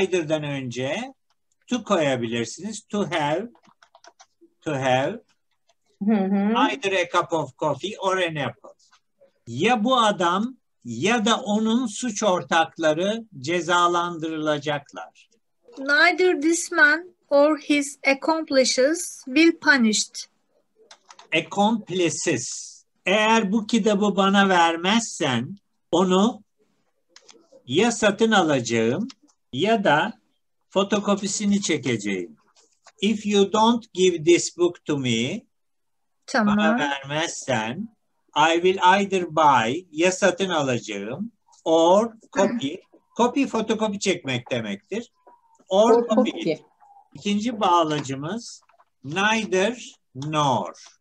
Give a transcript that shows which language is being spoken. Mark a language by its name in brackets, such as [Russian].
[Turkish] Either'dan önce to koyabilirsiniz. [English] To have either a cup of coffee or an apple. [Turkish] Ya bu adam ya da onun suç ortakları cezalandırılacaklar. [English] Neither this man or his accomplices will punished. Accomplices. [Turkish] Eğer bu kitabı bana vermezsen onu ya satın alacağım ya da fotokopisini çekeceğim. [English] If you don't give this book to me, [Turkish] tamam, bana vermezsen [English] I will either buy, [Turkish] ya satın alacağım, [English] or copy. [Turkish] Copy, fotokopi çekmek demektir. [English] Or copy. [Turkish] İkinci bağlacımız neither nor.